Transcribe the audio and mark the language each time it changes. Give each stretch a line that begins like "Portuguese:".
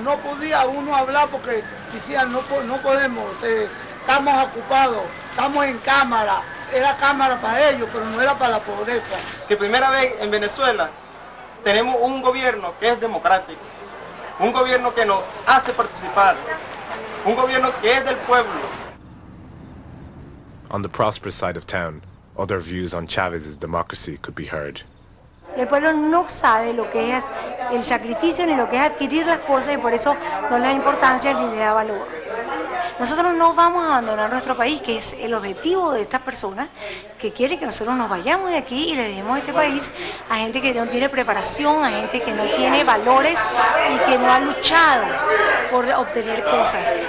Spanish: No podía uno hablar porque decían, no podemos, estamos ocupados, estamos en cámara. Era cámara para ellos, pero no era para la pobreza. Que primera vez en Venezuela tenemos un gobierno que es democrático, un gobierno que nos hace participar, un gobierno que es del pueblo.
English: On the prosperous side of town, other views on Chavez's democracy could be heard.
Spanish: El pueblo no sabe lo que es el sacrificio ni lo que es adquirir las cosas y por eso no le da importancia ni le da valor. Nosotros no vamos a abandonar nuestro país, que es el objetivo de estas personas, que quieren que nosotros nos vayamos de aquí y le dejemos este país a gente que no tiene preparación, a gente que no tiene valores y que no ha luchado por obtener cosas.